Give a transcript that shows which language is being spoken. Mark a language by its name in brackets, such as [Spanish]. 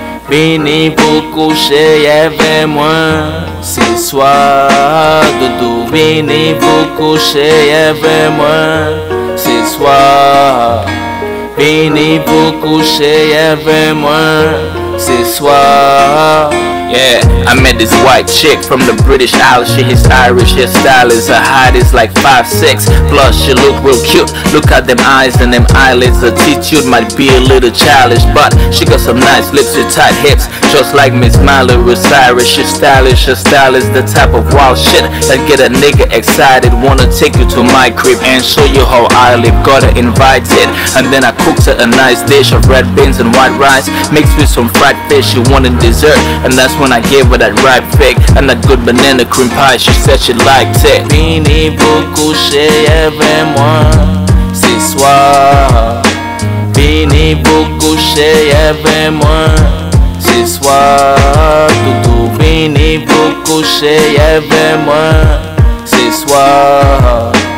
[French] Fini pour coucher avec moi ce soir, doudou. Fini pour coucher avec moi ce soir. Fini pour coucher avec moi ce soir. [English] Yeah, I met this white chick from the British Isles. She is Irish, her style is her height is like 5'6". Plus she look real cute, look at them eyes and them eyelids. Her attitude might be a little childish, but she got some nice lips with tight hips, just like Miss Miley Cyrus. She's stylish, her style is the type of wild shit that get a nigga excited. Wanna take you to my crib and show you how I live. Got her invited, and then I cooked her a nice dish of red beans and white rice, mixed with some fried fish. She wanted dessert, and that's when I gave her that ripe fig and that good banana cream pie. She said she liked it. [French] Fini pour coucher avec moi ce soir. Fini pour coucher avec moi ce soir. Doudou, fini pour coucher avec moi ce soir.